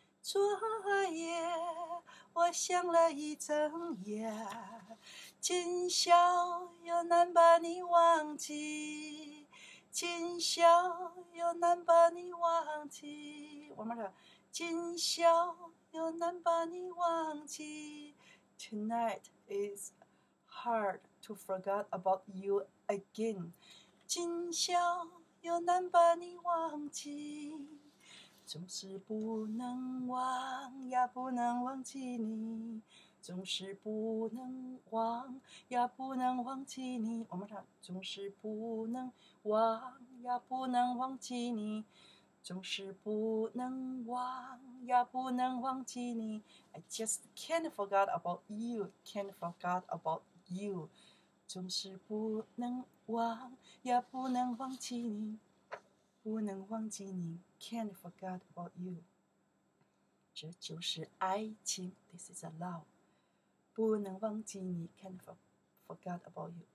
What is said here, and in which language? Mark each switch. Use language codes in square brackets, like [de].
[zh] 昨夜我想了一整夜，今宵又难把你忘记，今宵又难把你忘记。我们来，今宵又难把你忘记。 [en] Tonight is hard to forget about you again。 [zh] 今宵又难把你忘记，总是不能忘呀，不能忘记你，总是不能忘呀，不能忘记你。我们唱，总是不能忘呀，不能忘记你。总是不能忘呀，不能忘记你。 [en] I just can't forget about you, can't forget about you。 [zh] 总是不能忘呀，不能忘记你，不能忘记你。 [en] Can't forget about you。 [zh] 这就是爱情 [en] ，This is a love。 [zh] 不能忘记你 [en] ，Can't forget about you。